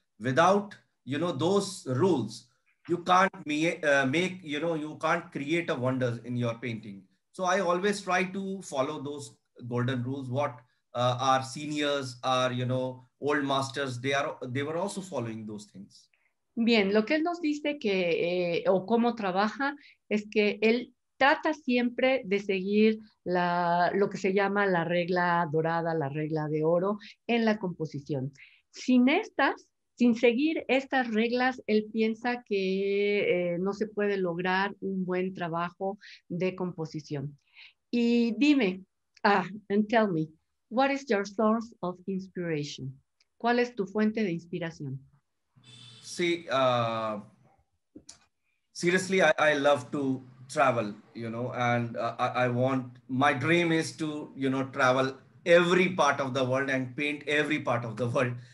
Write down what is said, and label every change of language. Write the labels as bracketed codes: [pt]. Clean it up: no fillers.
[en] Without, you know, those rules, you can't make, you know, you can't create a wonder in your painting. So I always try to follow those golden rules, what our seniors, our, you know, old masters, they were also following those things. [es] Bien, lo que él nos dice que, o cómo trabaja, es que él trata siempre de seguir lo que se llama la regla dorada, la regla de oro en la composición. Sin seguir estas reglas, él piensa que no se puede lograr un buen trabajo de composición. [en] Y dime, and tell me, what is your source of inspiration? [es] ¿Cuál es tu fuente de inspiración? [en] Sí, seriously, I love to travel, you know, and my dream is to, you know, travel every part of the world and paint every part of the world.